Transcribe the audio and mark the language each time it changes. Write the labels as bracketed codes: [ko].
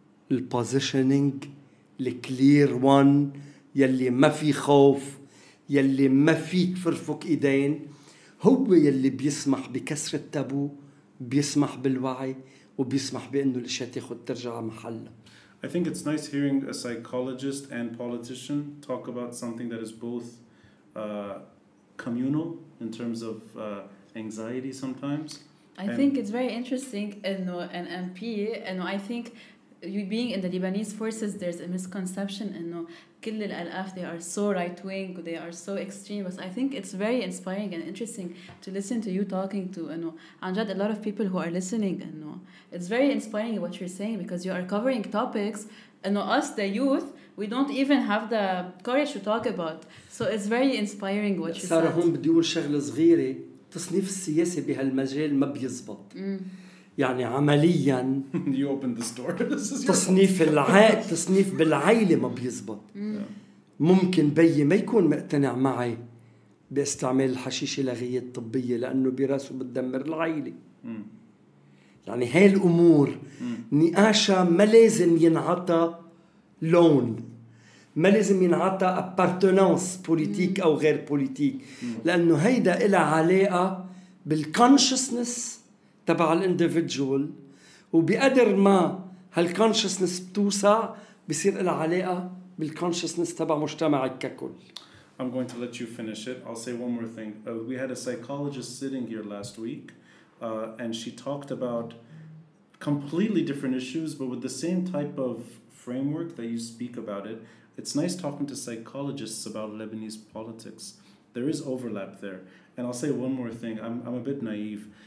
[ar] البوزيشنينج الكلير وان يلي ما في خوف، يلي ما في تفرفك ايدين، هو يلي بيسمح بكسر التابو، بيسمح بالوعي، وبيسمح بانه الاشياء تاخذ ترجع محلها. [en] I think it's nice hearing a psychologist and politician talk about something that is both communal in terms of anxiety sometimes. I think it's very interesting in an MP, and I think you being in the Lebanese forces, there's a misconception in [ar] كل الألآف [en] they are so right wing, they are so extreme. But I think it's very inspiring and interesting to listen to you talking to a lot of people who are listening. It's very inspiring what you're saying, because you are covering topics us, the youth, we don't even have the courage to talk about. So it's very inspiring what you said. [ar] سارة هون بدي أقول شغلة صغيرة. تصنيف السياسي بهالمجال ما بيزبط. يعني عمليا [en] you opened the store. [ar] تصنيف العائل، تصنيف بالعائلة ما بيزبط. ممكن بي ما يكون مقتنع معي باستعمال الحشيش لغاية طبية لأنه براسه بتدمر العائلة. يعني هاي الأمور نقاشة ما لازم ينعطى لون، ما لازم ينعطى appartenance بوليتيك أو غير بوليتيك، لأنه هيدا إلى علاقة بالconsciousness تبع الindividual، وبقدر ما هالconsciousness بتوسع بصير إلى علاقة بالconsciousness تبع مجتمعك ككل. [en] I'm going to let you finish it. I'll say one more thing. We had a psychologist sitting here last week and she talked about completely different issues but with the same type of framework that you speak about it. It's nice talking to psychologists about Lebanese politics. There is overlap there. And I'll say one more thing. I'm a bit naive.